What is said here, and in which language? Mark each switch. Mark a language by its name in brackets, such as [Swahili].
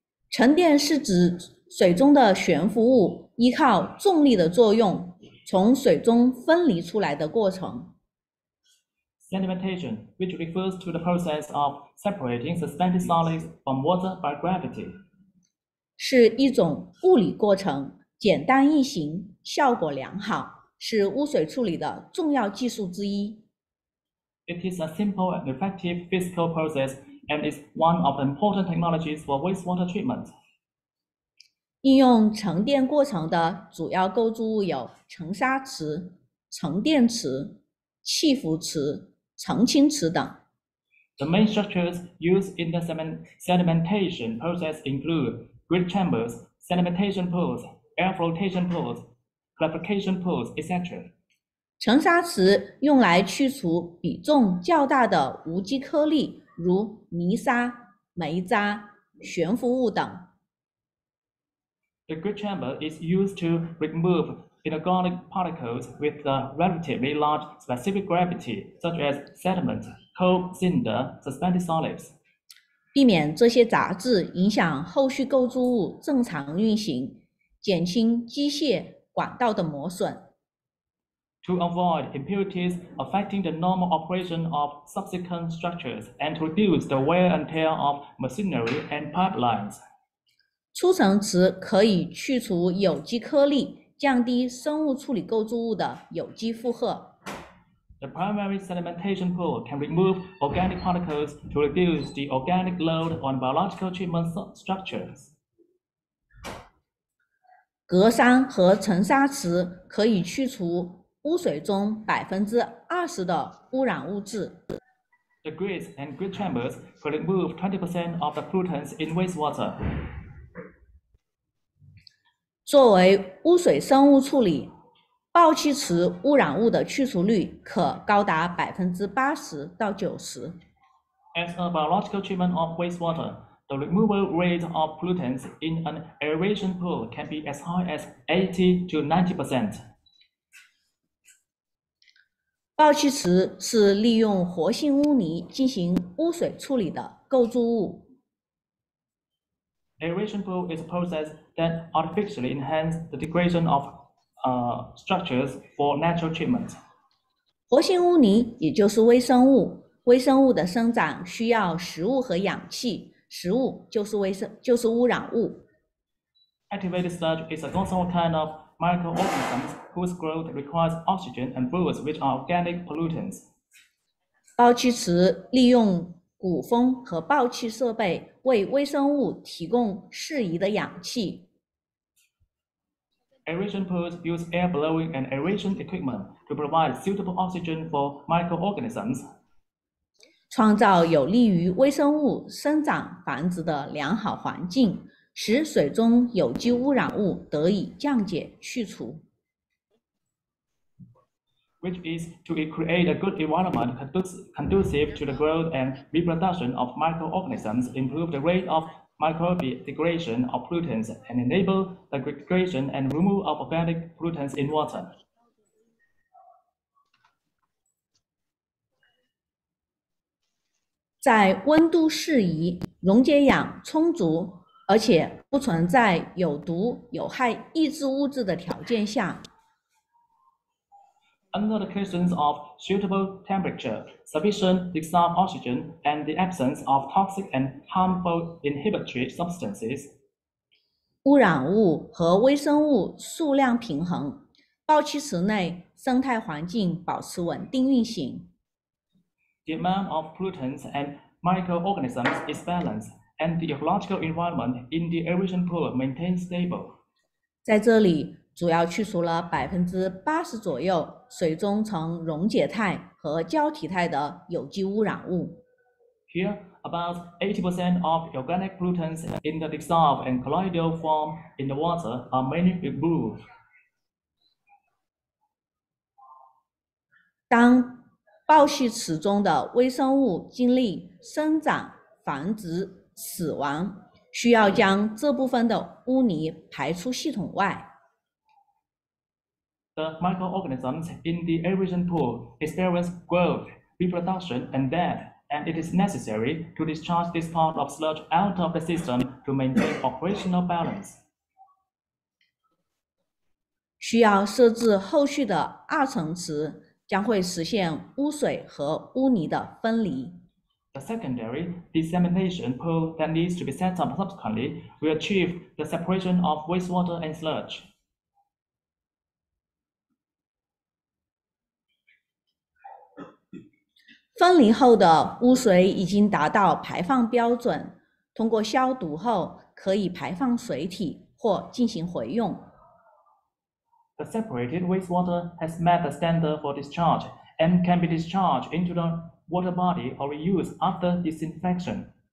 [Chinese] 沉淀是指水中的悬浮物依靠重力的作用从水中分离出来的过程。 [English] Sedimentation, which refers to the process of separating suspended solids from water by gravity, [Chinese] 是一种物理过程，简单易行，效果良好，是污水处理的重要技术之一。 [English] It is a simple and effective physical process, and is one of the important technologies for wastewater treatment. [Chinese] 应用沉淀过程的主要构筑物有沉沙池、沉淀池、气浮池。澄清池等。 [English] The main structures used in the sedimentation process include grid chambers, sedimentation pools, air flotation pools, clarification pools, etc. [Chinese] 沉沙池用来去除比重较大的无机颗粒，如泥沙、煤渣、悬浮物等。 [English] The grid chamber is used to remove inorganic particles with a relatively large specific gravity, such as sediment, coal, cinder, suspended solids. [Chinese] 避免这些杂质影响后续构筑物正常运行，减轻机械管道的磨损。 [English] To avoid impurities affecting the normal operation of subsequent structures and to reduce the wear and tear of machinery and pipelines. [Chinese] 初沉池可以去除有机颗粒。降低生物处理构筑物的有机负荷。 [English] The primary sedimentation pool can remove organic particles to reduce the organic load on biological treatment structures. [Chinese] 格栅和沉沙池可以去除污水中 20% 的污染物质。 [English] The grids and grid chambers can remove 20% of the pollutants in wastewater. [Chinese] 作为污水生物处理，爆气池污染物的去除率可高达 80% 到 90%。 [English] As a biological treatment of wastewater, the removal rate of pollutants in an aeration pool can be as high as 80 to 90%。 [Chinese] 爆气池是利用活性污泥进行污水处理的构筑物。 [English] Aeration pool is a process that artificially enhances the degradation of structures for natural treatment. [Chinese] 活性污泥也就是微生物，微生物的生长需要食物和氧气，食物就是污染物。 [English] Activated sludge is a constant kind of microorganisms whose growth requires oxygen and fluids, which are organic pollutants. [Chinese] 爆气池利用鼓风和爆气设备为微生物提供适宜的氧气。 [English] Aeration pools use air blowing and aeration equipment to provide suitable oxygen for microorganisms. [Chinese] 创造有利于微生物生长繁殖的良好环境，使水中有机污染物得以降解去除。 [English] Which is to create a good environment conducive to the growth and reproduction of microorganisms, improve the rate of microbial degradation of pollutants, and enable the degradation and removal of organic pollutants in water. [Chinese] 在温度适宜、溶解氧充足，而且不存在有毒有害抑制物质的条件下。 [English] Under the conditions of suitable temperature, sufficient dissolved oxygen, and the absence of toxic and harmful inhibitory substances, [Chinese] 污染物和微生物数量平衡，爆气池内生态环境保持稳定运行。 [English] The amount of pollutants and microorganisms is balanced, and the ecological environment in the aeration pool maintains stable. [Chinese] 在这里主要去除了 80% 左右水中呈溶解态和胶体态的有机污染物。 [English] Here, about 80% of organic pollutants in the dissolved and colloidal form in the water are mainly removed. [Chinese] 当爆气池中的微生物经历生长、繁殖、死亡，需要将这部分的污泥排出系统外。 [English] The microorganisms in the aeration pool experience growth, reproduction, and death, and it is necessary to discharge this part of sludge out of the system to maintain operational balance. [Chinese] 需要设置后续的二层池，将会实现污水和污泥的分离。 [English] The secondary dissemination pool that needs to be set up subsequently will achieve the separation of wastewater and sludge. [Chinese] 分离后的污水已经达到排放标准，通过消毒后可以排放水体或进行回用。 [English] The separated wastewater has met the standard for discharge and can be discharged into the water body or reused after disinfection.